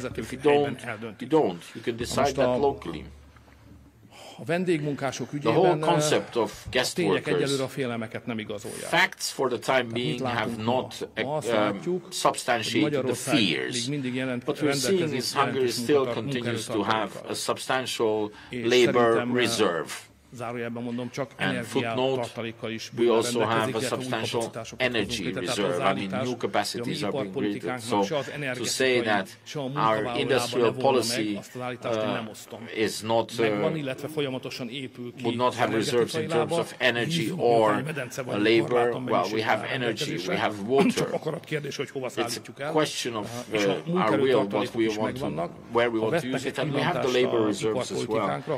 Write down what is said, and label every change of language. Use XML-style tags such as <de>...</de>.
<en>If you don't, you don't. You can decide that locally. The whole concept of guest workers, facts for the time being have not substantiated the fears. What we're seeing is Hungary still continues to have a substantial labor reserve.</en> <hu>Zárójelben mondom, csak energiatartalékkal is bőven rendelkezik, illetve új kapacitásokat</hu> <en>energy reserve,</en> <hu>tehát az állítás,</hu> <en>new capacities are being created. So to say that our industrial policy is not would not have reserves in terms of energy or labor. Well, we have energy, we have water. It's a question of our will, what we want to, where we want to use it, and we have the labor reserves as well.</en>